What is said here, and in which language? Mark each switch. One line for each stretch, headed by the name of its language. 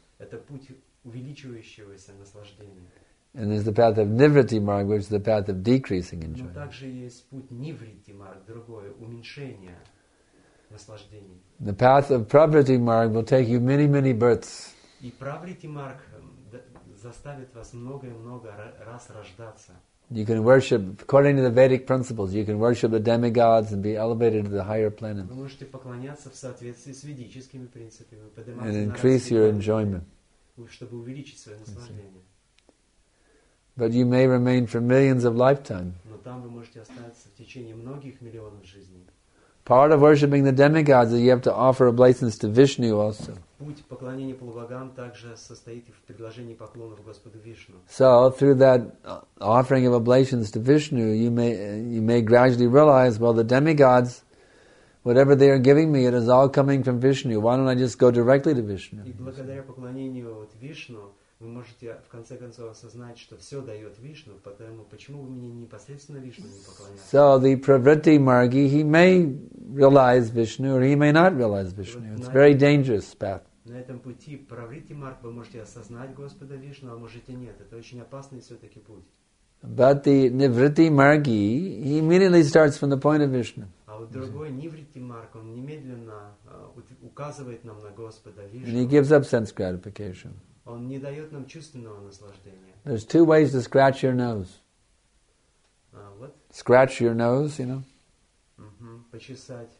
Russian: Это путь увеличивающегося наслаждения.
English: And there's the path of Nivritti Marg, which is the path of decreasing enjoyment.
Russian: Но также есть путь Nivritti Marg, другое уменьшение наслаждений.
English: The path of Pravritti Marg will take you many, many births.
Russian: И Pravritti Marg заставит вас много и много раз рождаться.
English: You can worship, according to the Vedic principles, you can worship the demigods and be elevated to the higher planets.
Russian: Вы можете поклоняться в соответствии с ведическими принципами, подниматься.
English: And increase your enjoyment.
Russian: Чтобы увеличить свое наслаждение.
English: But you may remain for millions of lifetime.
Russian: Но там вы можете остаться в течение многих миллионов жизней.
English: Part of worshipping the demigods is you have to offer obeisance to Vishnu also.
Russian: Путь поклонения полубогам также состоит в предложении поклонов Господу Вишну.
English: So through that offering of oblations to Vishnu, you may gradually realize, well, the demigods, whatever they are giving me, it is all coming from Vishnu. Why don't I just go directly to Vishnu?
Russian: И благодаря поклонению от Вишну вы можете в конце концов осознать, что все дает Вишну, поэтому почему вы мне непосредственно Вишну не поклоняетесь?
English: So the Pravritti Margi, he may realize Vishnu, or he may not realize Vishnu. It's a very dangerous path.
Russian: На этом пути Pravritti Marg вы можете осознать Господа Вишну, а можете нет. Это очень опасный все-таки путь.
English: But the Nivritti Margi, he immediately starts from the point of Vishnu.
Russian: А вот другой Nivritti Marg, он немедленно указывает нам на Господа Вишну.
English: And he gives up sense gratification.
Russian: Он не дает нам чувственного наслаждения.
English: There's two ways to scratch your nose. What? Scratch your nose, you know.
Russian: Mm-hmm. Почесать.